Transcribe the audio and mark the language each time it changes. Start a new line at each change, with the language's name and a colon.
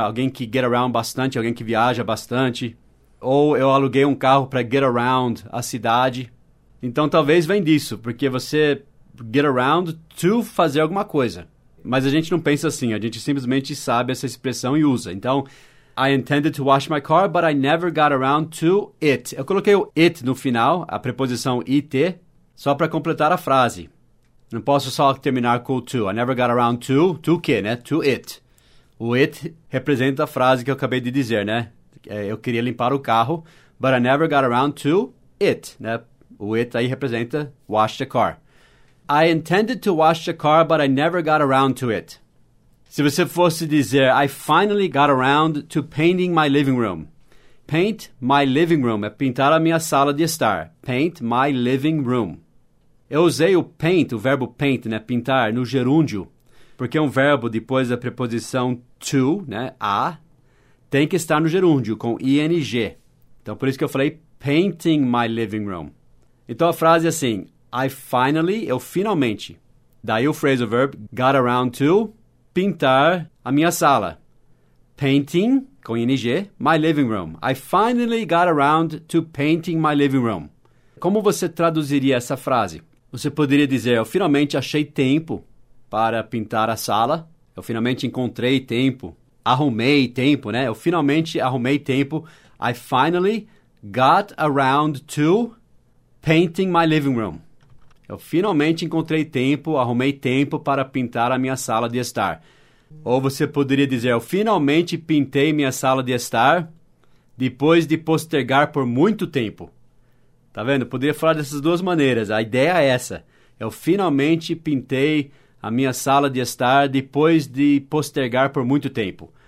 Portuguese: Alguém que get around bastante, alguém que viaja bastante. Ou eu aluguei um carro para get around a cidade. Então, talvez venha disso, porque você get around to fazer alguma coisa. Mas a gente não pensa assim, a gente simplesmente sabe essa expressão e usa.
English: Então, I intended to wash my car, but I never got around to it.
Portuguese: Eu coloquei o it no final, a preposição it, só para completar a frase. Não posso só terminar com o to.
English: I never got around to,
Portuguese: to o quê, né? To it. O it representa a frase que eu acabei de dizer, né? Eu queria limpar o carro,
English: but I never got around to it, né?
Portuguese: O it aí representa
English: wash the car. I intended to wash the car, but I never got around to it.
Portuguese: Se você fosse dizer,
English: I finally got around to painting my living room. Paint my living room
Portuguese: é pintar a minha sala de estar.
English: Paint my living room.
Portuguese: Eu usei o paint, o verbo paint, né? Pintar, no gerúndio, porque é um verbo depois da preposição to, né? A, tem que estar no gerúndio, com ing. Então, por isso que eu falei
English: painting my living room.
Portuguese: Então, a frase é assim,
English: I finally,
Portuguese: eu finalmente, daí o phrasal verb, got around to pintar a minha sala.
English: Painting,
Portuguese: com ing,
English: my living room. I finally got around to painting my living room.
Portuguese: Como você traduziria essa frase? Você poderia dizer, eu finalmente achei tempo para pintar a sala. Eu finalmente encontrei tempo. Arrumei tempo, né? Eu finalmente arrumei tempo.
English: I finally got around to painting my living room.
Portuguese: Eu finalmente encontrei tempo, arrumei tempo para pintar a minha sala de estar. Ou você poderia dizer, eu finalmente pintei minha sala de estar depois de postergar por muito tempo. Tá vendo? Eu poderia falar dessas duas maneiras. A ideia é essa. Eu finalmente pintei a minha sala de estar depois de postergar por muito tempo.